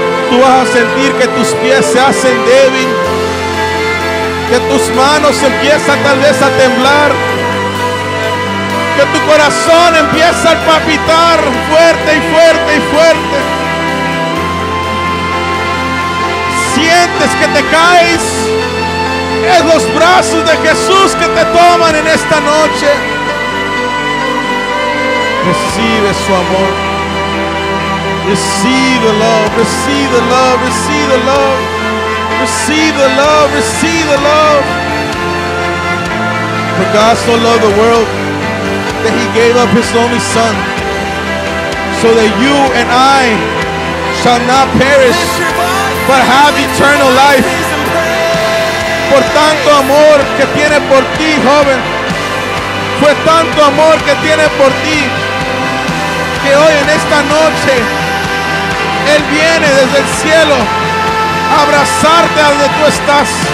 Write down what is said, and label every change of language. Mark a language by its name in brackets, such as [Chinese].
[Spanish] Tú vas a sentir que tus pies se hacen débil, que tus manos empiezan tal vez a temblar, que tu corazón empieza a palpitar fuerte y fuerte y fuerte. Sientes que te caes. Es los brazos de Jesús que te toman en esta noche. Recibe su amor. [English] Receive the love, receive the love, receive the love. Receive the love, receive the love. For God so loved the world that He gave up His only Son, so that you and I shall not perish, but have eternal life. [Spanish] Por tanto amor que tiene por ti, joven. Fue tanto amor que tiene por ti, que hoy en esta noche Él viene desde el cielo a abrazarte a donde tú estás.